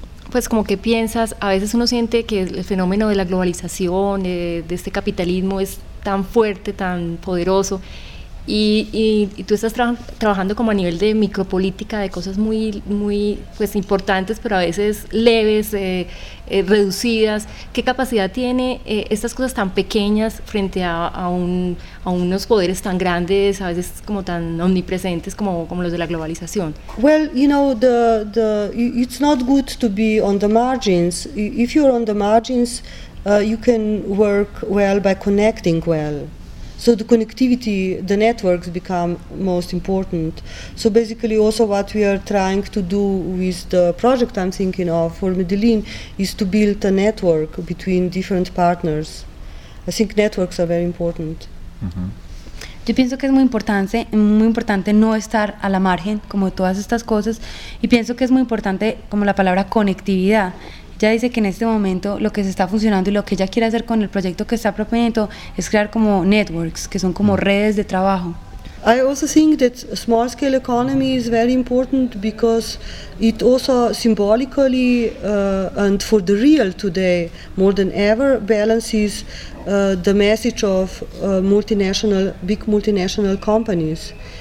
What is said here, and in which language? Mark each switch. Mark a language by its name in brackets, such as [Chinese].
[Spanish] pues como que piensas, a veces uno siente que el fenómeno de la globalización, de este capitalismo es tan fuerte, tan poderoso, y tú estás trabajando como a nivel de micropolítica, de cosas muy, muy pues, importantes, pero a veces leves, reducidas. ¿Qué capacidad tiene estas cosas tan pequeñas frente a unos poderes tan grandes, a veces como tan omnipresentes como los de la globalización? [English] Well, you know, the it's not good to be on the margins. If you're on the margins, you can work well by connecting well. So the connectivity, the networks become most important. So basically also what we are trying to do with the project I'm thinking of for Medellín is to build a network between different partners. I think networks are very important. [Spanish] Yo pienso que es muy importante no estar a la margen como todas estas cosas, y pienso que es muy importante como la palabra conectividad. Ya dice que en este momento lo que se está funcionando y lo que ella quiere hacer con el proyecto que está proponiendo es crear como networks, que son como redes de trabajo. [English] I also think that small scale economy is very important because it also symbolically and for the real today more than ever balances the message of big multinational companies.